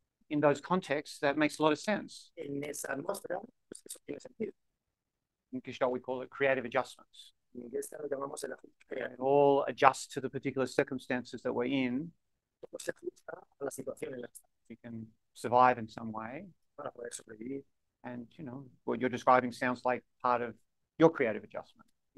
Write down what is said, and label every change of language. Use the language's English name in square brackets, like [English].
[English] In those contexts, that makes a lot of sense. [Spanish] En esa atmósfera, pues eso tiene sentido. [English] In Gestalt, we call it creative adjustments. [Spanish] En Gestalt, lo llamamos el ajuste creativo. [English] And all adjust to the particular circumstances that we're in. [Spanish] Todo se ajusta a la situación en la que estamos. [English] We can survive in some way. [Spanish] Para poder sobrevivir. [English] And you know what you're describing sounds like part of your creative adjustment.